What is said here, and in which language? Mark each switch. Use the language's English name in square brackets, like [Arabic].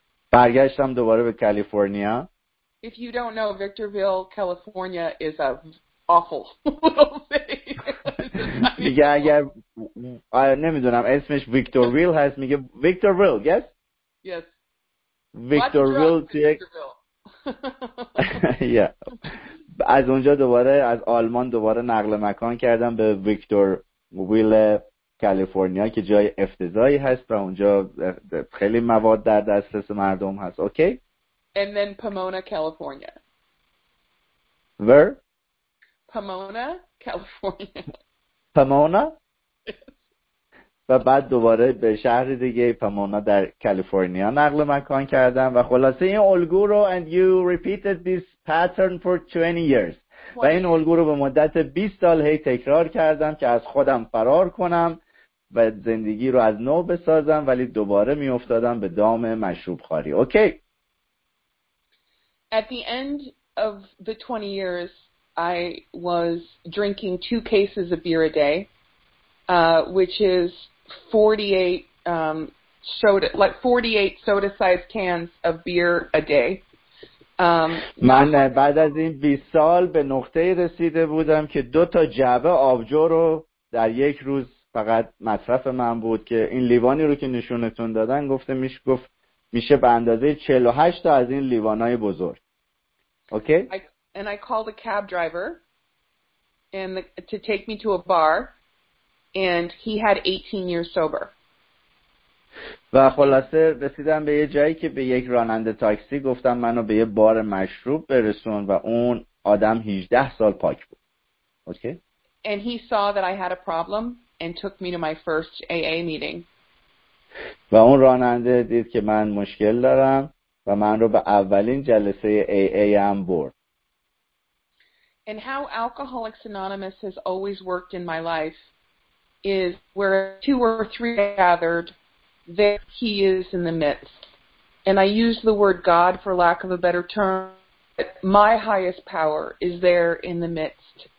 [Persian] برگشتم دوباره به کالیفرنیا. [English] If you don't know, Victorville, California is a awful little city. [Persian] میگه اگر نمیدونم اسمش ویکتورویل هست، میگه ویکتورویل، yes? [English] Yes. [Persian] ویکتورویل توی ویکتورویل. از اونجا دوباره از آلمان دوباره نقل مکان کردم به ویکتورویل کالیفرنیا که جای افتضاحی هست و اونجا خیلی مواد در دسترس مردم هست. اوکی؟ [English] And then Pomona, California. Where? Pomona, California. Pomona? و [Persian] و بعد دوباره به شهر دیگه پمونا در کالیفرنیا نقل مکان کردم و خلاصه این الگو رو [English] and you repeated this pattern for 20 years [Persian] و این الگو رو به مدت 20 سال هی تکرار کردم که از خودم فرار کنم و زندگی رو از نو بسازم ولی دوباره می افتادم به دام مشروب خاری. اوکی. [English] At the end of the 20 years I was drinking 2 cases of beer a day which is 48 soda like 48 soda sized cans of beer a day. [Persian] من بعد از این 20 سال به نقطه رسیده بودم که 2 جعبه آبجو رو در یک روز فقط مصرف من بود که این لیوانی رو که نشونتون دادن گفته میش گفت میشه به اندازه 48 تا از این لیوانای بزرگ. اوکی؟ [English] And I called a cab driver and to take me to a bar and he had 18 years sober. [Persian] و خلاصه رسیدم به یه جایی که به یک راننده تاکسی گفتم منو به یه بار مشروب برسون و اون آدم 18 سال پاک بود. اوکی؟ [English] And he saw that I had a problem and took me to my first AA meeting. [Persian] و اون راننده دید که من مشکل دارم و من رو به اولین جلسه AA ام برد. [English] And how Alcoholics Anonymous has always worked in my life is where 2 or 3 are gathered, there he is in the midst. And I use the word God for lack of a better term. But my highest power is there in the midst.